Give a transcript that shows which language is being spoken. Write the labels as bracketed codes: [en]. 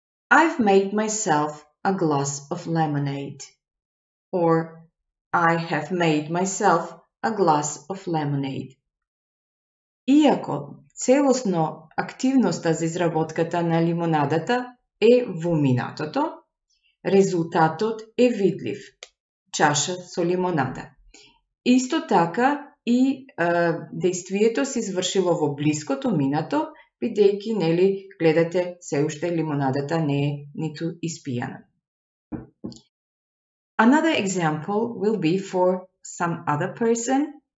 [en] I've made myself a glass of lemonade. Or I have made myself a glass of lemonade. [mk] Иако целосно активноста за изработката на лимонадата е во минатото, резултатот е видлив. Чаша со лимонада. Исто така и действието се извршило во блиското минато, бидејќи, нели, гледате, се уште лимонадата не е ниту испијана. [en] Another example will be for some other person.